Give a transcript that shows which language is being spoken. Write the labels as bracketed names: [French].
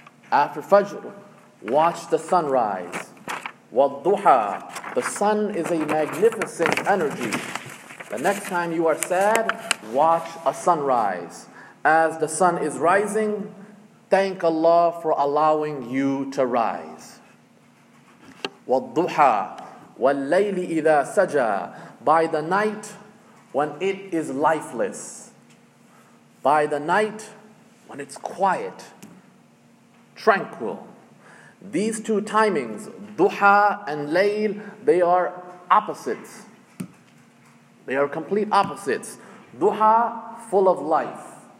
[English] After Fajr, watch the sunrise. Wadduha, the sun is a magnificent energy. The next time you are sad, watch a sunrise. As the sun is rising, thank Allah for allowing you to rise. [Arabic] وَالضُّحَى وَاللَّيْلِ إِذَا سَجَى, [English] by the night when it is lifeless. By the night, when it's quiet, tranquil. These two timings, duha and layl, they are opposites. They are complete opposites. Duha, full of life.